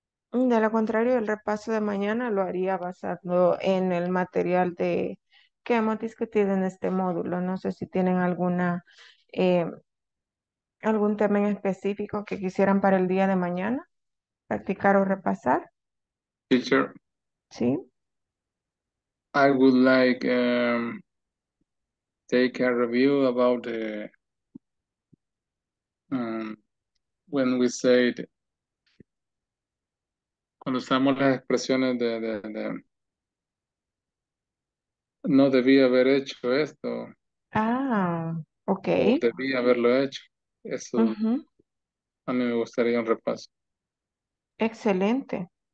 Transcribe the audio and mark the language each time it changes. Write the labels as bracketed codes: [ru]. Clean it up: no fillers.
[es] De lo contrario, el repaso de mañana lo haría basado en el material de que hemos discutido en este módulo. No sé si tienen algún tema en específico que quisieran para el día de mañana practicar o repasar. [en] Teacher. [es] Sí. [en] I would like take a review about when we said. [es] Cuando usamos las expresiones de no debía haber hecho esto. Ah, ok. No debía haberlo hecho. Eso a mí me gustaría un repaso. Excelente.